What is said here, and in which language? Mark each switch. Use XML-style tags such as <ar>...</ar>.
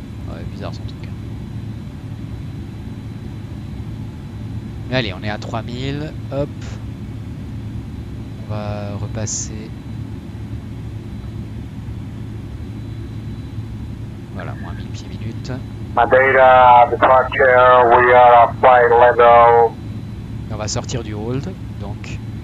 <fr>Ouais, bizarre son truc. Mais allez, on est à 3000. Hop. On va repasser. Voilà, moins 1000 pieds minute.</fr> <en>Madeira, departure, we are at flight level.</en> <fr>On va sortir du hold, donc.</fr>